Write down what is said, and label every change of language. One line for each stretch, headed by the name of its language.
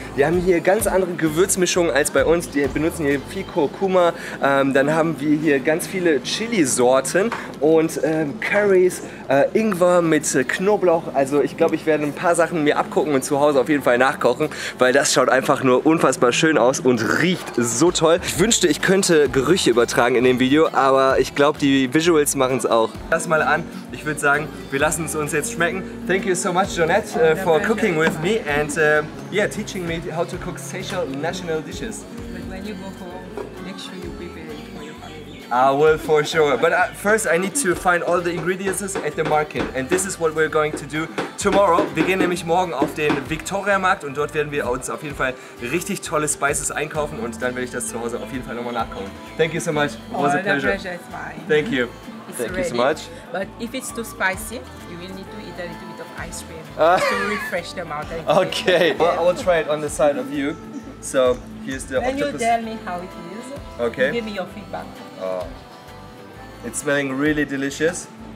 German: Wir haben hier ganz andere Gewürzmischungen als bei uns. Die benutzen hier viel Kurkuma, dann haben wir hier ganz viele Chili-Sorten und Curries, Ingwer mit Knoblauch. Also ich glaube, ich werde ein paar Sachen mir abgucken und zu Hause auf jeden Fall nachkochen, weil das schaut einfach nur unfassbar schön aus und riecht so toll. Ich wünschte, ich könnte Gerüche übertragen in dem Video, aber ich glaube, die Visuals machen es auch. Lass mal an. Ich würde sagen, wir lassen es uns jetzt schmecken.
English: Thank you so much, Jeanette, for cooking with me and yeah, teaching me how to cook Seychelles national dishes. But when you go home, make sure you prepare it for your family. I will, for sure. But first I need to find all the ingredients at the market. And this is what we're going to do tomorrow.
German: Wir gehen nämlich morgen auf den Viktoriamarkt und dort werden wir uns auf jeden Fall richtig tolle Spices einkaufen und dann werde ich das zu Hause auf jeden Fall nochmal nachkochen.
English: Thank you so much. It was all a pleasure. The pleasure is mine. Thank you. Thank you so much. But if it's too spicy, you will need to eat a little bit of ice cream to refresh the mouth. Okay, well, I will try it on the side of you. So here's the then octopus. Then you tell me how it is. Okay. Give me your feedback. Oh. It's smelling really delicious.